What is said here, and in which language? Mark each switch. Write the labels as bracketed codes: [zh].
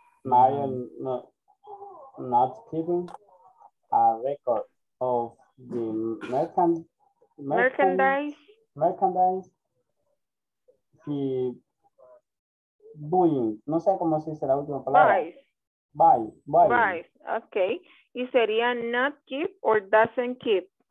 [en] Mario, no, not keeping a record of the merchandise he buying, [es] no sé cómo se dice la última palabra. [en] Buy. Okay, [es] y sería [en] not keep or doesn't keep.